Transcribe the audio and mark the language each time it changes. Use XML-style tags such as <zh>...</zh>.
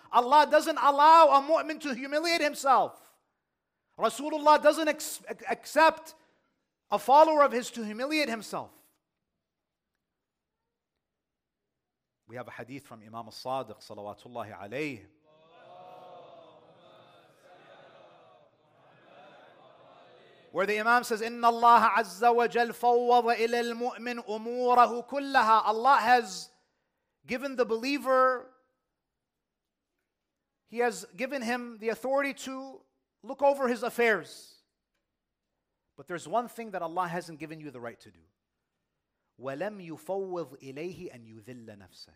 <en>Allah doesn't allow a mu'min to humiliate himself. Rasulullah doesn't accept a follower of his to humiliate himself. We have a hadith from Imam al-Sadiq, salawatullahi alayhi. Where the Imam says,</en> <ar>إِنَّ اللَّهَ عَزَّ وَجَلْ فَوَّضَ إِلَى الْمُؤْمِنِ أُمُورَهُ كُلَّهَا.</ar> <en>Allah has given the believer, He has given him the authority to look over his affairs. But there's one thing that Allah hasn't given you the right to do.</en> <ar>وَلَمْ يُفَوِّضْ إِلَيْهِ أَنْ يُذِلَّ نَفْسَهُ.</ar>